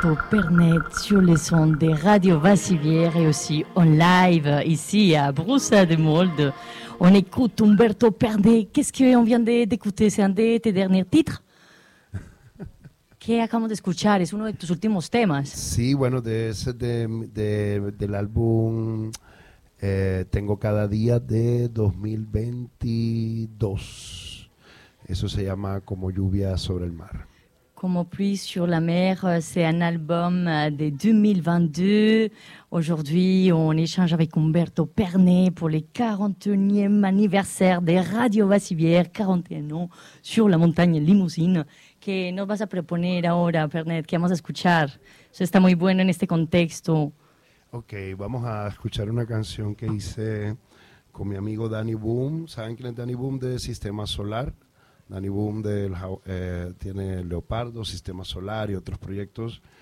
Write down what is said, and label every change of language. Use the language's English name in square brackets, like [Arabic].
[French] Pernet sur les ondes des radios Vassivière et aussi en live ici à Broussa-des-Mauldes. On écoute Umberto Pernet. Qu'est-ce qu'on vient d'écouter? C'est un de tes derniers titres? [Spanish] ¿Qué acabamos de escuchar? Es uno de tus últimos temas. Sí, bueno, del álbum Tengo Cada Día de 2022. Eso se llama Como Lluvia Sobre el Mar. [French] Comme pluie sur la mer, c'est un album de 2022. Aujourd'hui, on échange avec Umberto Pernet pour les 41e anniversaire des Radio Vassivière, 41 ans, sur la montagne Limousine. [Spanish] Que nos vas a proponer ahora, Pernet? ¿Qué vamos a escuchar? Eso está muy bueno en este contexto. Ok, vamos a escuchar una canción que hice con mi amigo Danny Boom. ¿Saben quién es Danny Boom de Sistema Solar? Danny Boom tiene Leopardo, Sistema Solar y otros proyectos.